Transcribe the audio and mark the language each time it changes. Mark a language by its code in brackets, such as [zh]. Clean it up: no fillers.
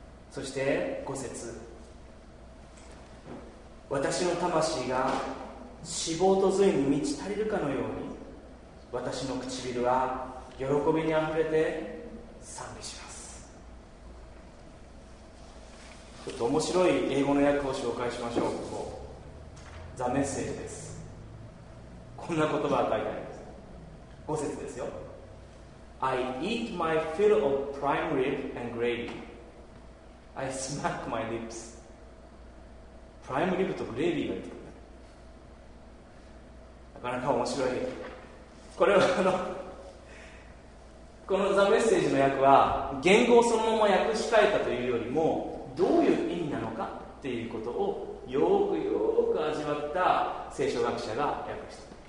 [ja] そして5節、私の魂が脂肪と髄に満ち足りるかのように、私の唇は喜びにあふれて賛美します。ちょっと面白い英語の訳を紹介しましょう。ここザメッセージです。こんな言葉が書いてあります。 5節ですよ。 [en] I eat my fill of prime rib and gravy. I smack my lips. [ja] プライムリブとグレービーが言ってくる。なかなか面白い。これはこのザメッセージの訳は言語をそのまま訳し替えたというよりも、どういう意味なのかっていうことをよくよく味わった聖書学者が訳した。